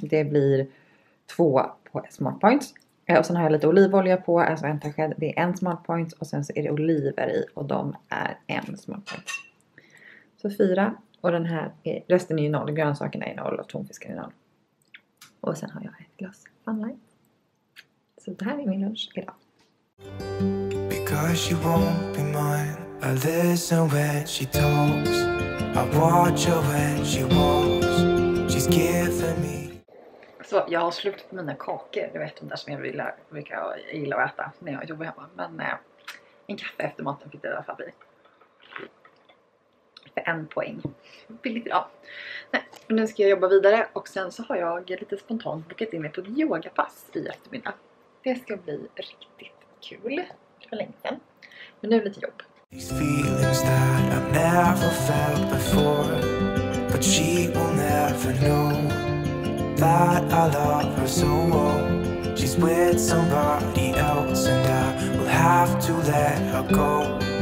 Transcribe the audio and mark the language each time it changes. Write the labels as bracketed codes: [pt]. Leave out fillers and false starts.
[sv] Det blir 2 på smart points. Och sen har jag lite olivolja på. Alltså en tasked. Det är 1 smart point. Och sen så är det oliver i. Och de är 1 smart point. Så 4. Och den här är, resten är ju 0. Grönsakerna är 0. Och tonfisken är 0. Och sen har jag ett glas Fun Light. Så det här är min lunch idag. [en] Because you won't be mine. I listen when she talks. I watch her when she walks. She's given me. [sv] Så jag har slut på mina kakor. Du vet de där som jag gillar att äta när jag jobbar hemma. Men en kaffe efter maten fick jag i alla fall bli. För 1 poäng. Billigt bra. Nej, nu ska jag jobba vidare. Och sen så har jag lite spontant bokat in mig på ett yogapass i eftermiddag. Det ska bli riktigt kul. För längden. Men nu är det lite jobb. [en] These feelings that I've never felt before. But she will never know that I love her so well. She's with somebody else and I will have to let her go.